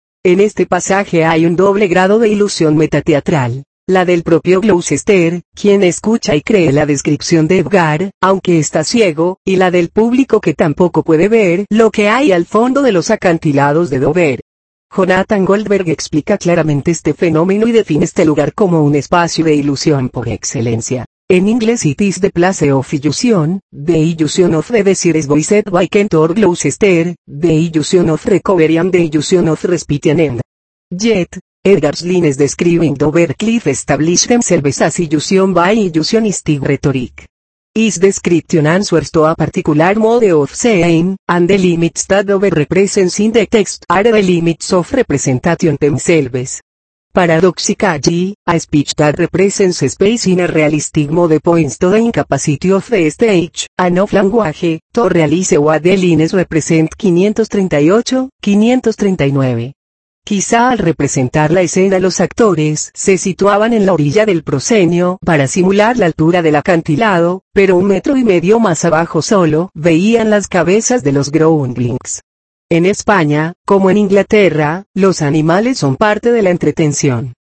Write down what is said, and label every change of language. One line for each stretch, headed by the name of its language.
Spanish: En este pasaje hay un doble grado de ilusión metateatral, la del propio Gloucester, quien escucha y cree la descripción de Edgar, aunque está ciego, y la del público que tampoco puede ver lo que hay al fondo de los acantilados de Dover. Jonathan Goldberg explica claramente este fenómeno y define este lugar como un espacio de ilusión por excelencia. En inglés
English: it is the place of illusion, the illusion of the desires voiced by Kentor Gloucester, the illusion of recovery and the illusion of respite and end. Yet, Edgar's lines describing Dover Cliff establish themselves as illusion by illusionistic rhetoric. His description answers to a particular mode of saying, and the limits that Dover represents in the text are the limits of representation themselves. Paradoxically, a speech that represents space in a realistic mode points to the incapacity of the stage, and of language, to realize what the lines represent 538, 539.
Spanish: Quizá al representar la escena los actores se situaban en la orilla del proscenio para simular la altura del acantilado, pero un metro y medio más abajo solo veían las cabezas de los groundlings. En España, como en Inglaterra, los animales son parte de la entretención.